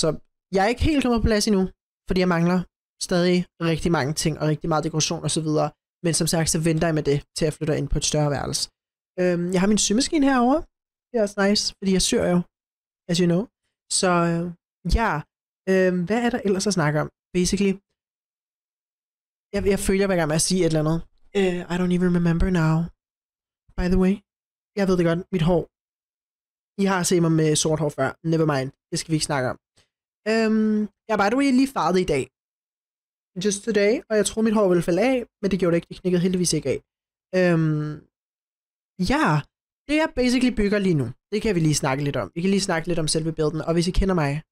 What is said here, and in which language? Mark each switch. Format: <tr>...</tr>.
<da>Så jeg er ikke helt kommet på plads endnu, fordi jeg mangler stadig rigtig mange ting og rigtig meget dekoration og så videre. Men som sagt, så venter jeg med det, til jeg flytter ind på et større værelse. Jeg har min symaskine herovre. Det er også nice, fordi jeg syr jo,</da> <en>as you know.</en> <da>Så ja, hvad er der ellers at snakke om? Basically, jeg føler, hver gang med at sige et eller andet.</da> <en>I don't even remember now, by the way.</en> <da>Jeg ved det godt, mit hår. I har set mig med sort hår før.</da> <en>Never mind.</en> <da>Det skal vi ikke snakke om. Jeg</da> <en>by the way,</en> <da>lige farvet i dag.</da> <en>Just today.</en> <da>Og jeg troede, mit hår ville falde af. Men det gjorde det ikke. Det knækkede heldigvis ikke af. Ja. Det jeg basically bygger lige nu. Det kan vi lige snakke lidt om. Vi kan lige snakke lidt om selve bilden. Og hvis I kender mig.</da>